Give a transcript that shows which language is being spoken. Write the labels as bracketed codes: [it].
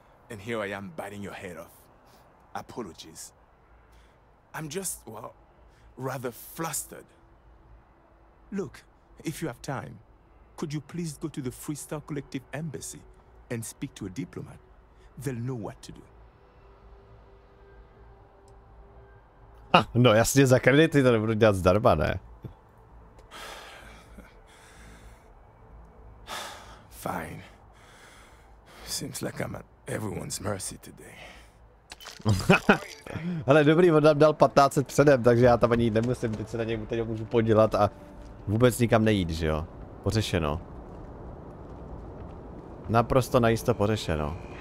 [en] And here I am biting your head off. Apologies. I'm just, well, rather flustered. Look, if you have time, could you please go to the Freestyle Collective Embassy and speak to a diplomat? They'll know what to do. [cs] Ah, no, jasně, za kredity to nebudu dělat zdarma, ne? [en] Fine. Seems like I'm at everyone's mercy today. [cs] Ale dobrý, on nám dal 1500 předem, takže já tam ani nemusím, teď se na něj teď můžu podělat a vůbec nikam nejít, že jo? Pořešeno. Naprosto najisto pořešeno.